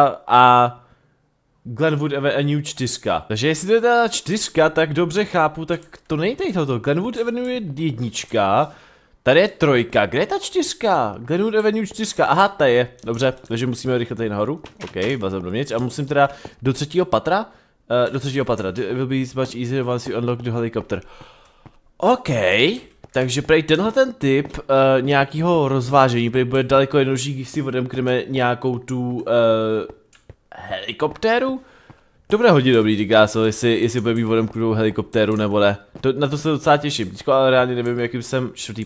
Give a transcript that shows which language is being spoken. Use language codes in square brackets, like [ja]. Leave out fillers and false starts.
[cs] a Glenwood Avenue 4. Takže jestli to je ta 4, tak dobře chápu, tak to není tady toto, Glenwood Avenue je 1. Tady je 3, kde je ta 4? Glenwood Avenue 4, aha, ta je, dobře, takže musíme rychle tady nahoru, ok, vlazem dovnitř a musím teda do 3. patra, [en] it will be much easier once you unlock the helicopter. [cs] Ok, takže prej tenhle ten typ nějakého rozvážení, prej bude daleko jednodušší, když si odemkneme nějakou tu helikoptéru. To bude hodně dobrý, ty gáso, jestli bude mít odemknutou helikoptéru nebo ne. Na to se docela těším, teďko ale reálně nevím, jakým jsem 4.